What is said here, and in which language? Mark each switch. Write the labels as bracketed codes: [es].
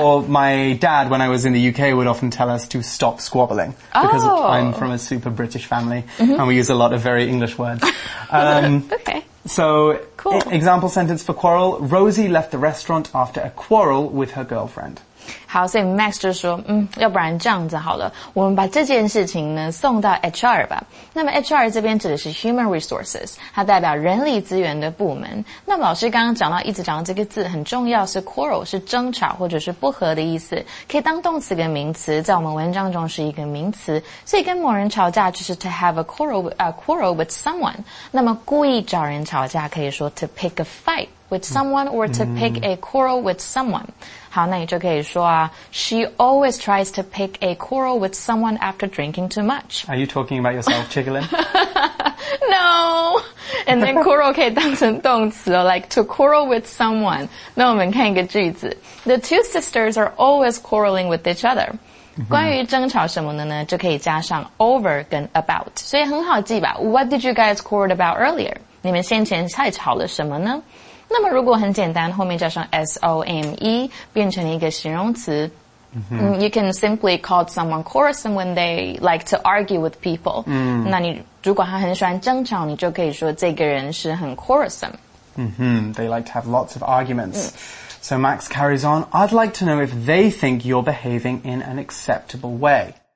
[en] Or my dad, when I was in the UK, would often tell us to stop squabbling. Because oh. I'm from a super British family, mm-hmm. and we use a lot of very English words. okay. So, cool. Example sentence for quarrel. Rosie left the restaurant after a quarrel with her girlfriend. [zh] 好，所以 Max 就说，要不然这样子好了，我们把这件事情呢送到 HR 吧。那么 HR 这边指的是 Human Resources， 它代表人力资源的部门。那么老师刚刚讲到，一直讲到这个字很重要，是 quarrel， 是争吵或者是不和的意思，可以当动词跟名词，在我们文章中是一个名词。所以跟某人吵架就是 to have a quarrel with someone。 [en] 那么故意找人吵架可以说 to pick a fight with someone or to pick a quarrel with someone。好，那你就可以说啊，She always tries to pick a quarrel with someone after drinking too much. Are you talking about yourself, Chigalin? No. And then quarrel 可以当成动词哦，like to quarrel with someone. 那我们看一个句子，The two sisters are always quarreling with each other. [zh] 关于争吵什么的呢，就可以加上 over 跟 about， 所以很好记吧 ？ What did you guys quarrel about earlier？你们先前太吵了什么呢？那么如果很简单，后面加上 some， 变成一个形容词。 [en] You can simply call someone quarrelsome when they like to argue with people. [zh] 那你如果他很喜欢争吵，你就可以说这个人是很 quarrelsome. [en] They like to have lots of arguments. So Max carries on. I'd like to know if they think you're behaving in an acceptable way.